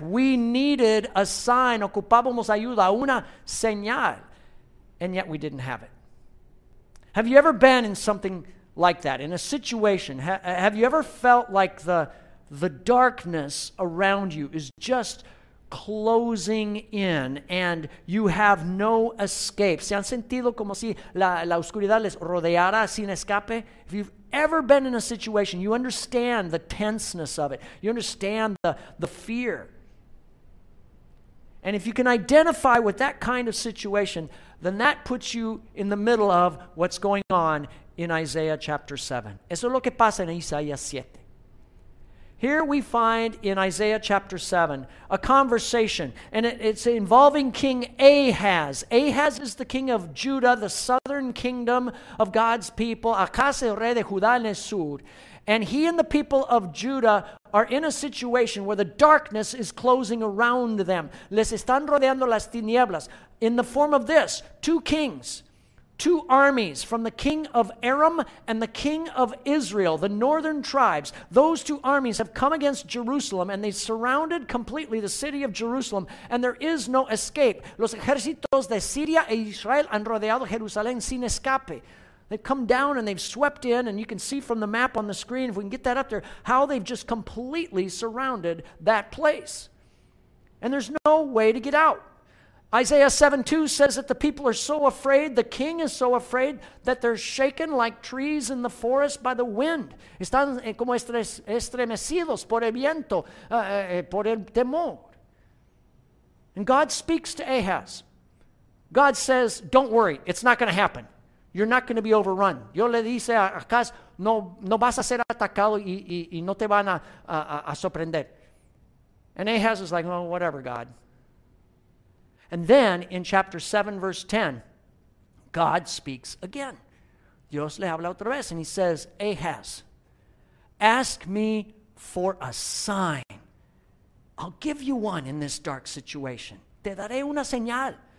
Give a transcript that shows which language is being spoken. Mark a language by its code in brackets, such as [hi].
[en] We needed a sign. [es] Ocupábamos ayuda, una señal. [en] And yet we didn't have it. Have you ever been in something like that, in a situation? Have you ever felt like the darkness around you is just closing in and you have no escape? [es] ¿Se han sentido como si la oscuridad les rodeara sin escape? [en] If you've ever been in a situation, you understand the tenseness of it. You understand the fear. And if you can identify with that kind of situation, then that puts you in the middle of what's going on in Isaiah chapter 7. [es] Eso es lo que pasa en Isaías 7. [en] Here we find in Isaiah chapter 7 a conversation, and it's involving King Ahaz. Ahaz is the king of Judah, the southern kingdom of God's people. [es] Ahaz es rey de Judá en el sur. [en] And he and the people of Judah are in a situation where the darkness is closing around them. [es] Les están rodeando las tinieblas. [en] In the form of this, two kings, two armies from the king of Aram and the king of Israel, the northern tribes. Those two armies have come against Jerusalem and they surrounded completely the city of Jerusalem and there is no escape. [es] Los ejércitos de Siria e Israel han rodeado Jerusalén sin escape. [en] They've come down and they've swept in, and you can see from the map on the screen, if we can get that up there, how they've just completely surrounded that place. And there's no way to get out. Isaiah 7:2 says that the people are so afraid, the king is so afraid, that they're shaken like trees in the forest by the wind. [es] Están como estremecidos por el viento, por el temor. [en] And God speaks to Ahaz. God says, don't worry, it's not going to happen. You're not going to be overrun. [es] Yo le dice a Ahaz, no vas a ser atacado y no te van a sorprender. [en] And Ahaz is like, oh, whatever, God. And then in chapter 7, verse 10, God speaks again. [es] Dios le habla otra vez. [en] And he says, Ahaz, ask me for a sign. I'll give you one in this dark situation. [es] Te daré una señal.